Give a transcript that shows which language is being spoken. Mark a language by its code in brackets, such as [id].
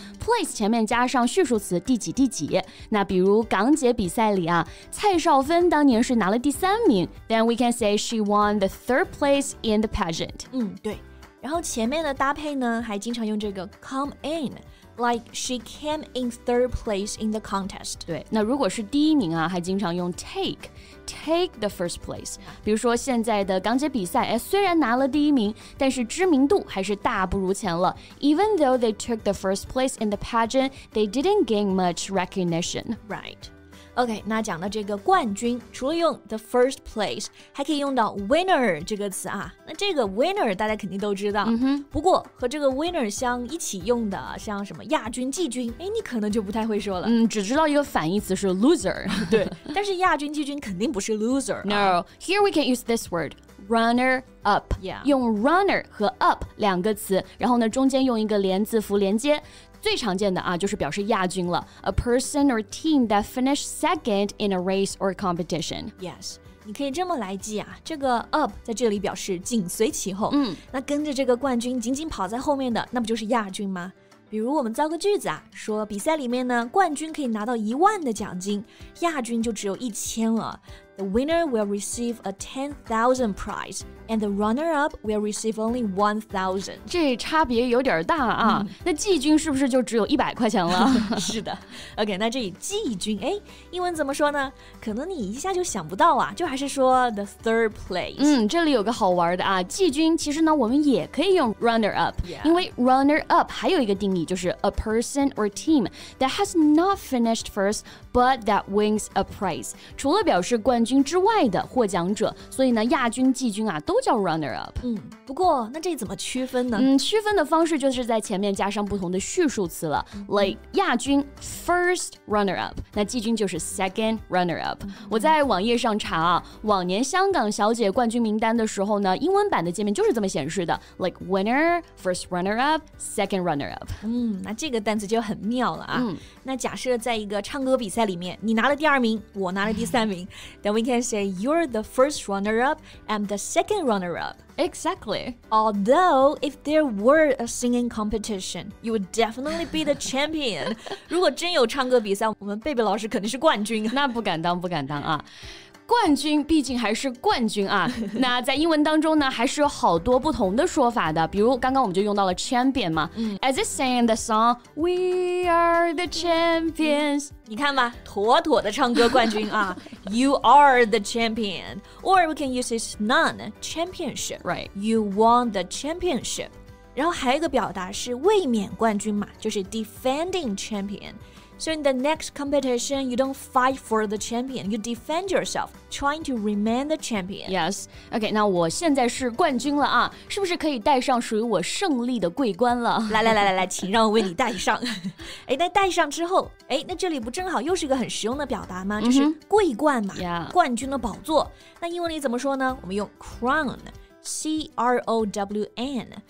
[zh] Place 前面加上序数词第几第几，那比如港姐比赛里啊，蔡少芬当年是拿了第三名， [en] then we can say she won the third place in the pageant. [zh] 嗯，对。然后前面的搭配呢，还经常用这个 come in. [en] Like she came in third place in the contest. [zh] 对，那如果是第一名啊，还经常用 [en] take the first place. [zh] 比如说现在的港姐比赛，哎，虽然拿了第一名，但是知名度还是大不如前了。 [en] Even though they took the first place in the pageant, they didn't gain much recognition. Right. [zh] OK, 那讲到这个冠军，除了用 the first place, 还可以用到 winner 这个词啊。那这个 winner 大家肯定都知道、 mm-hmm. 不过和这个 winner 相一起用的像什么亚军季军，哎，你可能就不太会说了，嗯，只知道一个反义词是 loser 对，但是亚军季军肯定不是 loser、啊、 [en] No, here we can use this word runner up、 yeah. [zh] 用 runner 和 up 两个词，然后呢中间用一个连字符连接，最常见的啊，就是表示亚军了 ， [en] a person or team that finished second in a race or competition. [zh] Yes, 你可以这么来记啊，这个 up 在这里表示紧随其后，嗯，那跟着这个冠军紧紧跑在后面的，那不就是亚军吗？比如我们造个句子啊，说比赛里面呢，冠军可以拿到10000的奖金，亚军就只有1000了。 [en] The winner will receive a 10,000 prize, and the runner-up will receive only 1,000. [zh] 这差别有点大啊、嗯、那季军是不是就只有100块钱了？是的。 OK, 那这里季军，哎，英文怎么说呢？可能你一下就想不到啊，就还是说 the third place. 嗯，这里有个好玩的啊，季军其实呢，我们也可以用 runner-up,、 [en] yeah. [zh] 因为 runner-up 还有一个定义，就是 [en] a person or team that has not finished first, but that wins a prize. [zh] 除了表示冠军之外的获奖者，所以呢，亚军、季军啊，都叫 runner up。嗯，不过那这怎么区分呢？嗯，区分的方式就是在前面加上不同的序数词了、嗯、 [en] ，like 亚军 first runner up， [zh] 那季军就是 [en] second runner up、嗯。 [zh] 我在网页上查啊，往年香港小姐冠军名单的时候呢，英文版的界面就是这么显示的 ， [en] like winner first runner up second runner up。 [zh] 嗯，那这个单词就很妙了啊、嗯。那假设在一个唱歌比赛里面，你拿了第二名，我拿了第三名。 [en] Then we can say you're the first runner-up and the second runner-up. Exactly. Although, if there were a singing competition, you would definitely be the champion. [zh] 如果真有唱歌比赛，我们贝贝老师肯定是冠军。那不敢当，不敢当啊。冠军毕竟还是冠军啊。那在英文当中呢，还是有好多不同的说法的。比如刚刚我们就用到了 champion 嘛。 [en] As it sang in the song, we are the champions. [zh] 你看吧，妥妥的唱歌冠军啊 [en] You are the champion. Or we can use it none, championship. Right. You won the championship. [zh] 然后还有一个表达是卫冕冠军嘛，就是 defending champion. [en] So in the next competition, you don't fight for the champion. You defend yourself, trying to remain the champion. Yes. [zh] Okay, 那我现在是冠军了啊，是不是可以戴上属于我胜利的桂冠了？来来来来来，请让我为你戴上。哎，那戴上之后，哎，那这里不正好又是一个很实用的表达吗？就是桂冠嘛， [en] yeah. [zh] 冠军的宝座。那英文里怎么说呢？我们用 crown, C-R-O-W-N.